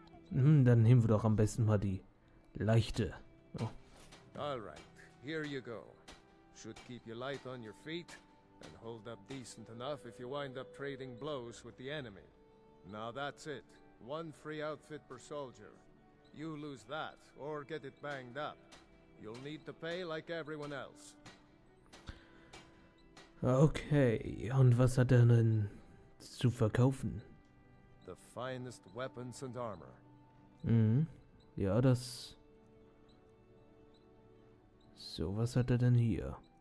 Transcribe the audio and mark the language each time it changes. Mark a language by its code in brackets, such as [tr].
[de] Dann nehmen wir doch am besten mal die leichte. [en] All right, here you go. Should keep you light on your feet and hold up decent enough if you wind up trading blows with the enemy. Now that's it. One free outfit per soldier. You lose that, or get it banged up. You'll need to pay like everyone else. [de] Okay, und was hat er denn zu verkaufen? [en] The finest weapons and armor. [de] Ja, das... So, was hat er denn hier?